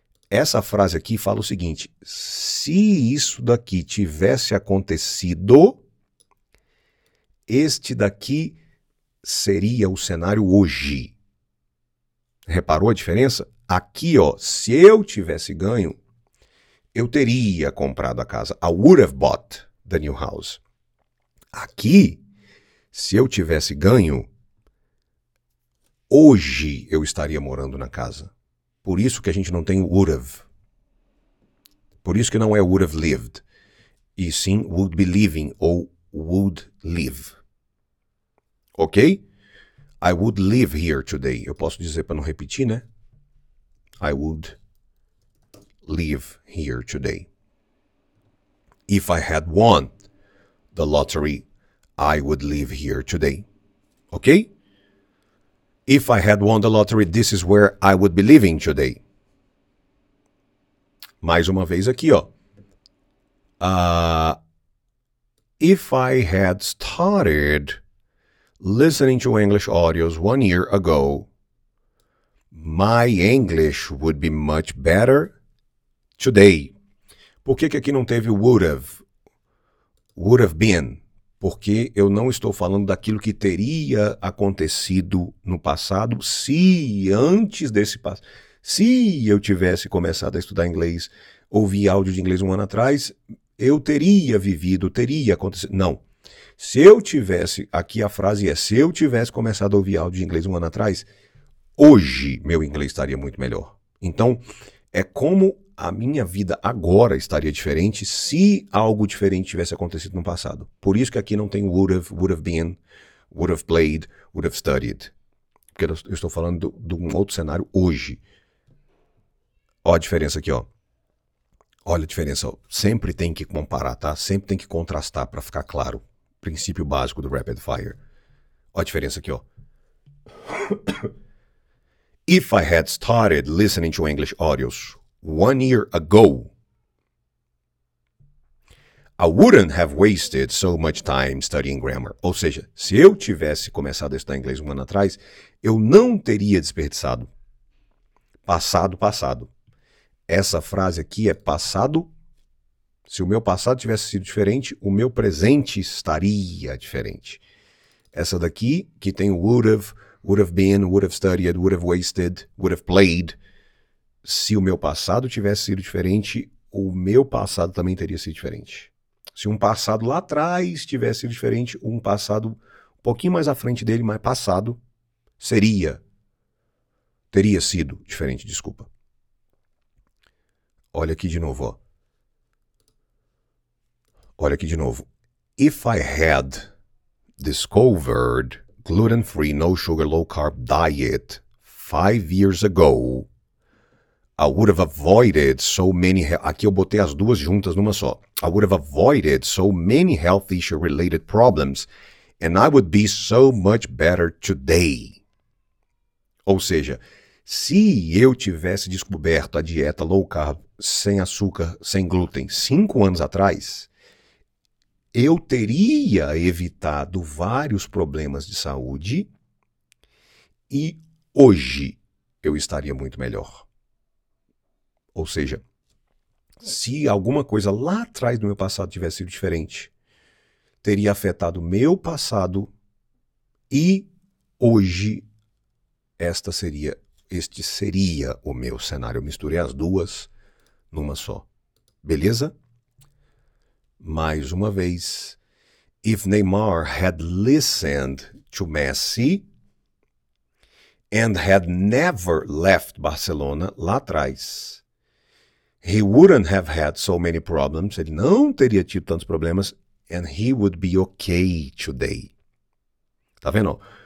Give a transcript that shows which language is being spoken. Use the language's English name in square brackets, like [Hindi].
[Portuguese] Essa frase aqui fala o seguinte, se isso daqui tivesse acontecido, este daqui seria o cenário hoje. Reparou a diferença? Aqui, ó, se eu tivesse ganho, eu teria comprado a casa. [English] I would have bought the new house. [Portuguese] Aqui, se eu tivesse ganho, hoje eu estaria morando na casa. Por isso que a gente não tem would have. Por isso que não é would have lived. E sim would be living ou would live. [English] Ok? I would live here today. [Portuguese] Eu posso dizer para não repetir, né? [English] I would live here today. If I had won the lottery, I would live here today. Ok? If I had won the lottery, this is where I would be living today. [Portuguese] Mais uma vez aqui, ó. [English] If I had started listening to English audios 1 year ago, my English would be much better today. [Portuguese] Por que que aqui não teve would have been? Porque eu não estou falando daquilo que teria acontecido no passado se antes desse passo. Se eu tivesse começado a estudar inglês, ouvi áudio de inglês 1 ano atrás, eu teria vivido, teria acontecido. Não. Se eu tivesse, aqui a frase é, se eu tivesse começado a ouvir áudio de inglês 1 ano atrás, hoje meu inglês estaria muito melhor. Então, é como a minha vida agora estaria diferente se algo diferente tivesse acontecido no passado. Por isso que aqui não tem would have been, would have played, would have studied. Porque eu estou falando de um outro cenário hoje. Olha a diferença aqui, ó. Olha a diferença. Ó. Sempre tem que comparar, tá? Sempre tem que contrastar para ficar claro. Princípio básico do Rapid Fire. Olha a diferença aqui, ó. [English] If I had started listening to English audios 1 year ago, I wouldn't have wasted so much time studying grammar. [Portuguese] Ou seja, se eu tivesse começado a estudar inglês um ano atrás, eu não teria desperdiçado. Passado, passado. Essa frase aqui é passado. Se o meu passado tivesse sido diferente, o meu presente estaria diferente. Essa daqui, que tem o would have been, would have studied, would have wasted, would have played. Se o meu passado tivesse sido diferente, o meu passado também teria sido diferente. Se um passado lá atrás tivesse sido diferente, um passado um pouquinho mais à frente dele, mas passado, seria. Teria sido diferente, desculpa. Olha aqui de novo, ó. Olha aqui de novo. [English] If I had discovered gluten-free, no-sugar, low-carb diet 5 years ago, I would have avoided so many... [Portuguese] Aqui eu botei as duas juntas numa só. [English] I would have avoided so many health issue-related problems and I would be so much better today. [Portuguese] Ou seja, se eu tivesse descoberto a dieta low-carb sem açúcar, sem glúten, 5 anos atrás... Eu teria evitado vários problemas de saúde e hoje eu estaria muito melhor. Ou seja, se alguma coisa lá atrás do meu passado tivesse sido diferente, teria afetado meu passado e hoje este seria o meu cenário. Eu misturei as duas numa só. Beleza? Mais uma vez, [English] if Neymar had listened to Messi and had never left Barcelona [Portuguese] lá atrás, [English] he wouldn't have had so many problems, [Portuguese] ele não teria tido tantos problemas, [English] and he would be okay today. [Portuguese] Tá vendo?